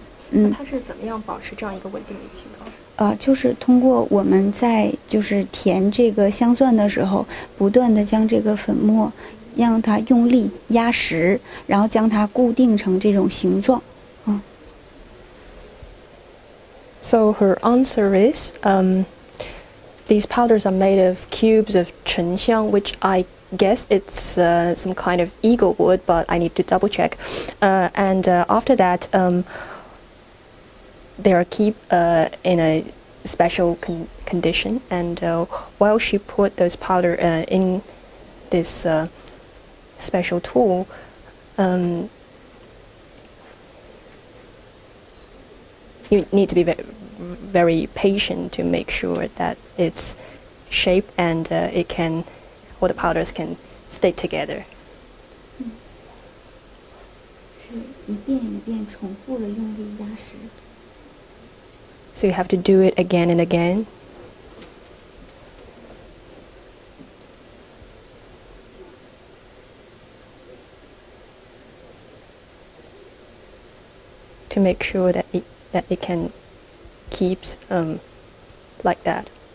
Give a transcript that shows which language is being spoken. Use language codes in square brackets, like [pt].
[zh] 那它是怎么样保持这样一个稳定的情况？就是通过我们在就是填这个香钻的时候，不断地将这个粉末让它用力压实，然后将它固定成这种形状。 [en] So her answer is, these powders are made of cubes of 沉香, which I guess it's some kind of eagle wood, but I need to double check. After that, they are kept in a special condition. While she put those powder in this special tool, you need to be very patient to make sure that it's shaped and it can, all the powders can stay together. [zh] 是一遍一遍重复的用力压实。 [en] So you have to do it again and again. To make sure that it can keeps like that.